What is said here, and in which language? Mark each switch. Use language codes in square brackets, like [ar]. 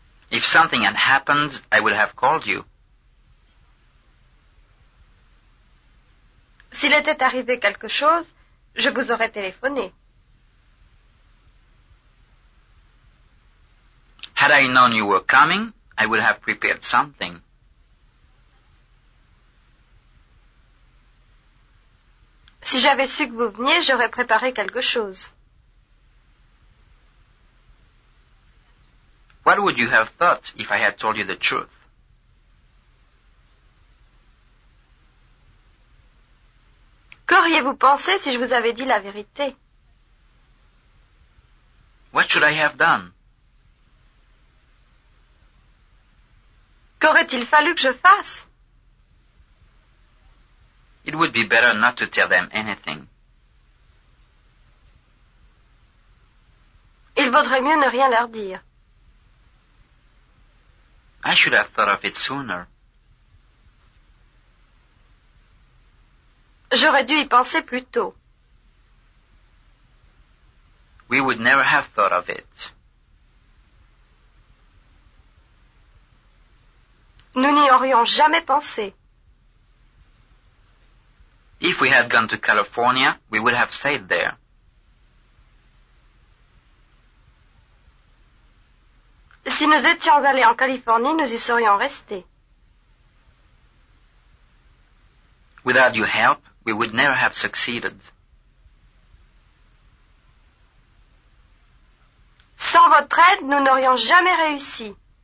[en] If something had happened, I would have called you. [fr] S'il était arrivé quelque chose, je vous aurais téléphoné. [en] Had I known you were coming, I would have prepared something. [fr] Si j'avais su que vous veniez, j'aurais préparé quelque chose. [en] What would you have thought if I had told you the truth? [fr] Qu'auriez-vous pensé si je vous avais dit la vérité? [en] What should I have done? [fr] Qu'aurait-il fallu que je fasse? [en] It would be better not to tell them anything. [fr] Il vaudrait mieux ne rien leur dire. [en] I should have thought of it sooner. [fr] J'aurais dû y penser plus tôt. [en] We would never have thought of it. [fr] Nous n'y aurions jamais pensé. [en] If we had gone to California, we would have stayed there. [fr] Si nous étions allés en Californie, nous y serions restés. [en] Without your help, we would never have succeeded. [fr] Sans votre aide, nous n'aurions jamais réussi.